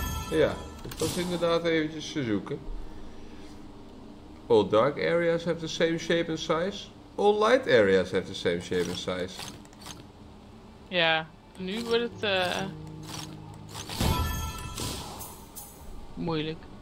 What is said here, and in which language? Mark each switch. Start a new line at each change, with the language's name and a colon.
Dutch: Ja, het was inderdaad eventjes te zoeken.
English: All dark areas have the same shape and size. All light areas have the same shape and size.
Dutch: Ja, nu wordt het moeilijk.